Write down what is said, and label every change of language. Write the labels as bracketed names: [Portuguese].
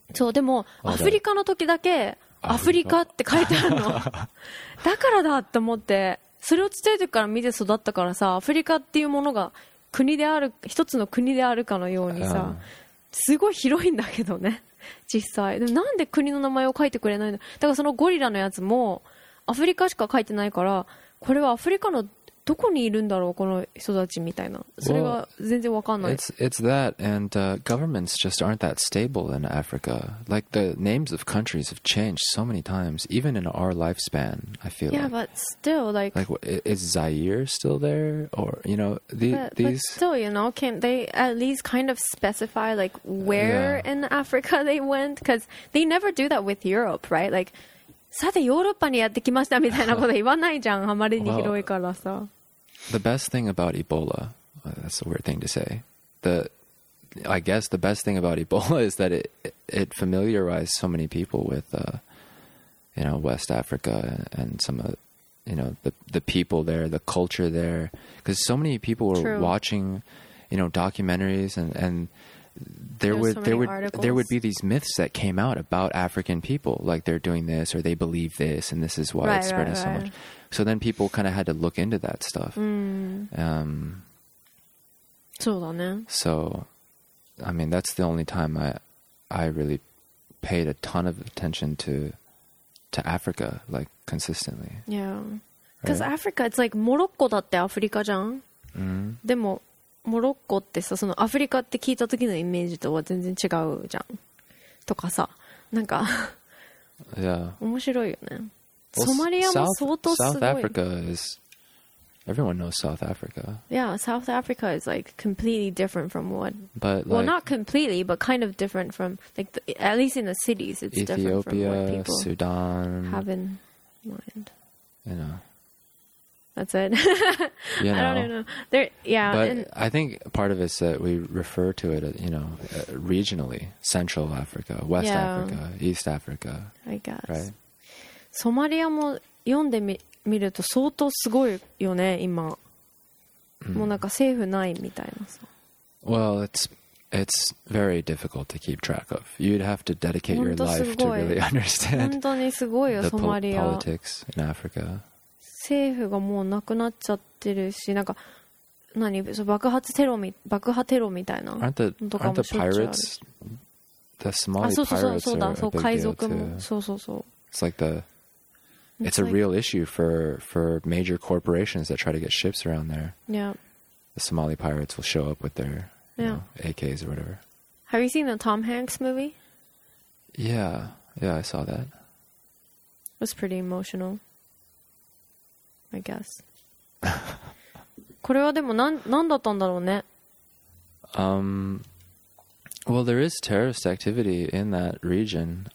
[Japanese] そう、でもアフリカの時だけアフリカって書いてあるのだからだって思って、それを伝えてから見て育ったからさ、アフリカっていうものが国である、一つの国であるかのようにさ、すごい広いんだけどね、実際。でもなんで国の名前を書いてくれないの？だからそのゴリラのやつもアフリカしか書いてないから、これはアフリカのどこにいるんだろうこの人たちみたいな。それが全然わかんない。 [English] Well, it's that and governments just aren't that stable in Africa. Like the names of countries have changed so many times, even in our lifespan. I feel yeah, like. Yeah, but still, like. Like, is Zaire still there? Or you know, these. But still, you know, can they at least kind of specify like where yeah. in Africa they went? Because they never do that with Europe, right? Like. [Japanese] さてヨーロッパにやってきましたみたいなこと言わないじゃん、あまりに広いからさ。 [English] Well, the best thing about Ebola, that's a weird thing to say. I guess the best thing about Ebola is that it familiarized so many people with, you know, West Africa and some of, you know, the people there, the culture there. Because so many people were True. watching, you know, documentaries and There would be these myths that came out about African people, like they're doing this or they believe this, and this is why right, it's spreading right, so right. much. So then people kind of had to look into that stuff. [Japanese] Mm. そうだね。 [English] So, I mean, that's the only time I really paid a ton of attention to Africa, like consistently. Yeah, because right? Africa, it's like Morocco [Japanese] だってアフリカじゃん。でも。モロッコってさ、そのアフリカって聞いた時のイメージとは全然違うじゃんとかさ、なんか [English] yeah. [Japanese] 面白いよね。ソマリアも相当すごい。 [English] South Africa is everyone knows South Africa. Yeah, South Africa is like completely different from what. But like, well, not completely, but kind of different from like the, at least in the cities, it's Ethiopia, different from what people Sudan, have in mind. You know. That's it. you know, I don't even know. There, yeah. But I think part of it is that we refer to it, you know, regionally. Central Africa, West yeah, Africa, East Africa. I guess. Right? [Japanese] ソマリアも読んでみると相当すごいよね、今。 Mm. もうなんか政府ないみたいなさ。 [English] Well, it's very difficult to keep track of. You'd have to dedicate your life to really understand [Japanese] 本当にすごいよ、 [English] the [Japanese] ソマリア。 [English] Politics in Africa. [Japanese] 政府がもうなくなっちゃってるし、なんか何そう爆破テロみたいなのとかもしょっちゅうある。 [English] Aren't the pirates the smaller pirates are a big deal too? [Japanese] そうだそう海賊もそうそうそう。 [English] It's like the it's a real issue for major corporations that try to get ships around there. Yeah. The Somali pirates will show up with their AKs or whatever. Have you seen the Tom Hanks movie? Yeah, I saw that. It was pretty emotional. I guess. [Japanese] これはでも何だったんだろうね。 [English] Well, there is terrorist activity in that region.